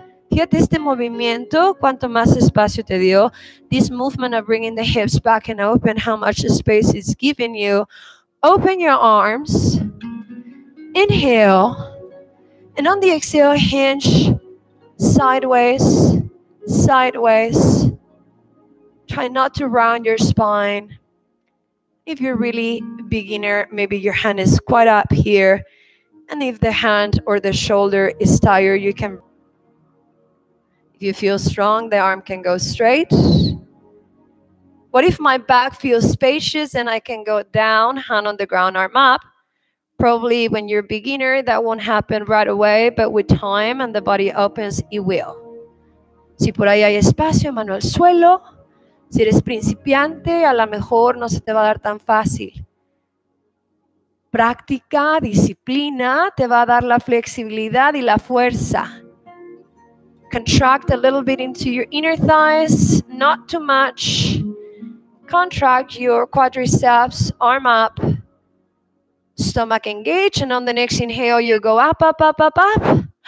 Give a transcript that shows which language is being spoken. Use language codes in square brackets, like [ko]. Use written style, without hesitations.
[es] Fíjate este movimiento, cuánto más espacio te dio. [en] This movement of bringing the hips back and open, how much space it's giving you. Open your arms, inhale, and on the exhale, hinge sideways, sideways. Try not to round your spine. If you're really beginner, maybe your hand is quite up here. And if the hand or the shoulder is tired, you can. If you feel strong, the arm can go straight. What if my back feels spacious and I can go down, hand on the ground, arm up? Probably when you're a beginner, that won't happen right away, but with time and the body opens, it will. [es] Si por ahí hay espacio, mano al suelo. Si eres principiante, a lo mejor no se te va a dar tan fácil. Práctica, disciplina, te va a dar la flexibilidad y la fuerza. [en] Contract a little bit into your inner thighs, not too much. Contract your quadriceps, arm up. Stomach engage, and on the next inhale, you go up, up, up, up, up.